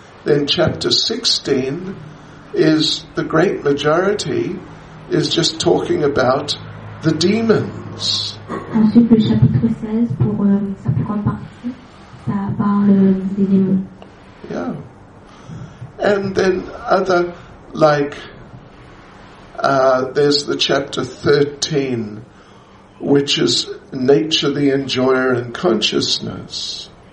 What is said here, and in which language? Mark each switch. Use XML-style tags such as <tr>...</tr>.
<en>Then chapter 16 is the great majority is just talking about the demons.</en> <fr>Ensuite, le chapitre 16, pour sa plus grande partie, ça parle des démons.</fr> <en>Yeah. And then other, like, there's the chapter 13, which is nature, the enjoyer, and consciousness.</en>